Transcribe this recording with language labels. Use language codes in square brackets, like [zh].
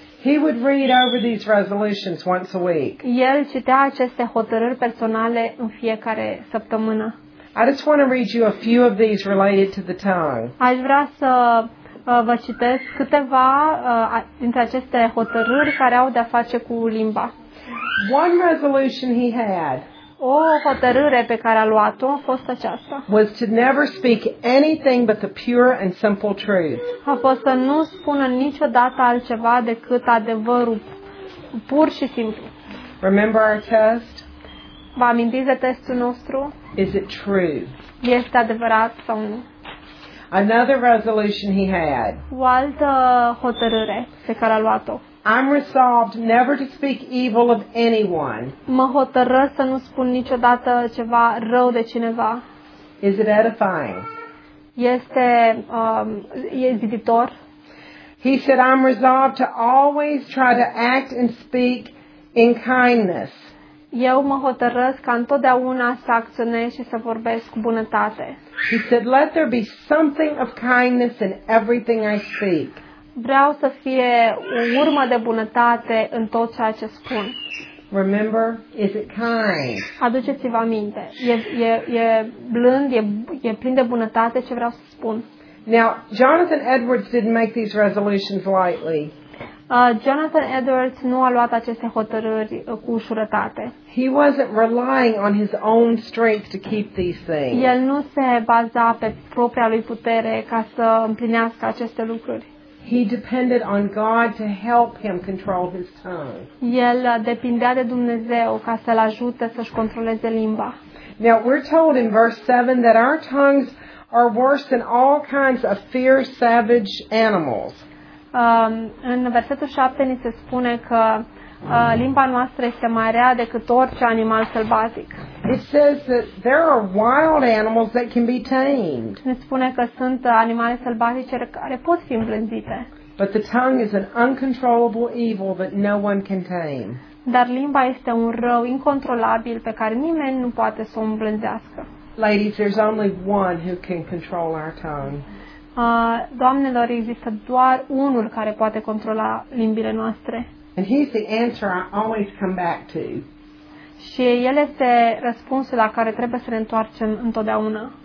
[en] He would read over these resolutions once a week. [ro] El citea aceste hotărâri personale în fiecare săptămână. [en] I just want to read you a few of these related to the tongue. [ro] Aș vrea să vă citesc câteva dintre aceste hotărâri care au de-a face cu limba. [en] One resolution he had. [ro] O hotărâre pe care a luat-o a fost aceasta. [en] Was to never speak anything but the pure and simple truth. [ro] A fost să nu spună niciodată altceva decât adevărul pur și simplu. [en] Remember our test? [ro] Vă amintiți de testul nostru? [en] Is it true? [ro] Este adevărat sau nu? [en] Another resolution he had. [ro] O altă hotărâre pe care a luat-o. [en] I'm resolved never to speak evil of anyone. [ro] Mă hotărăsc să nu spun niciodată ceva rău de cineva. [en] Is it edifying? [ro] Este zidititor. [en] He said I'm resolved to always try to act and speak in kindness. [ro] Eu mă hotărăsc ca întotdeauna să acționez și să vorbesc cu bunătate. [en] He said, let there be something of kindness in everything I speak. [ro] Vreau să fie o urmă de bunătate în tot ceea ce spun. [en] Remember, is it kind? [ro] Aduceți-vă aminte. E blând, e plin de bunătate ce vreau să spun. [en] Now, Jonathan Edwards didn't make these resolutions lightly. [ro] Jonathan Edwards nu a luat aceste hotărâri cu ușurătate. [en] He wasn't relying on his own strength to keep these things. [ro] El nu se baza pe propria lui putere ca să împlinească aceste lucruri. [en] He depended on God to help him control his tongue. [ro] El depindea de Dumnezeu ca să-l ajute să-și controleze limba. [en] Now we're told in verse 7 that our tongues are worse than all kinds of fierce, savage animals. [ro] În versetul 7 ni se spune că limba noastră este mai rea decât orice animal sălbatic. [en] It says that there are wild animals that can be tamed. [ro] Ne spune că sunt animale sălbatice care pot fi îmblânzite. [en] But the tongue is an uncontrollable evil that no one can tame. [ro] Dar limba este un rău incontrolabil pe care nimeni nu poate să o îmblânzească. [en] Ladies, there's only one who can control our tongue. [ro] Doamnelor, există doar unul care poate controla limbile noastre. [en] And he's the answer I always come back to. [ro] Și el este răspunsul la care trebuie să ne întoarcem întotdeauna.